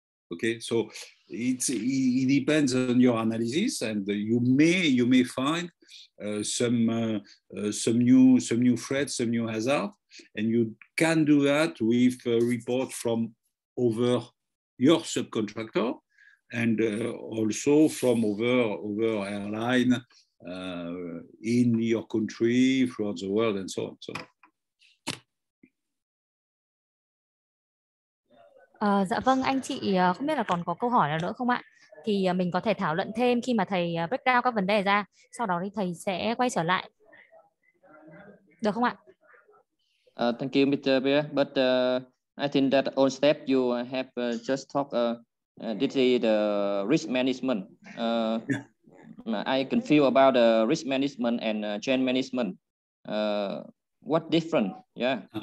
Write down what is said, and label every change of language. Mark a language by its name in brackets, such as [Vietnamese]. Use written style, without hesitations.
[English] Okay, so it depends on your analysis, and you may find some new threats, some new hazards, and you can do that with a report from over your subcontractor, and also from over airline in your country, throughout the world, and so on. So. [Vietnamese] Dạ vâng, anh chị không biết là còn có câu hỏi nào nữa không ạ? Thì mình có thể thảo luận thêm khi mà thầy break down các vấn đề ra. Sau đó thì thầy sẽ quay trở lại. Được không ạ? [English] Thank you, Mr. Bia. But I think that all step you have just talked, this is the risk management. I can feel about the risk management and change management. What different? Yeah.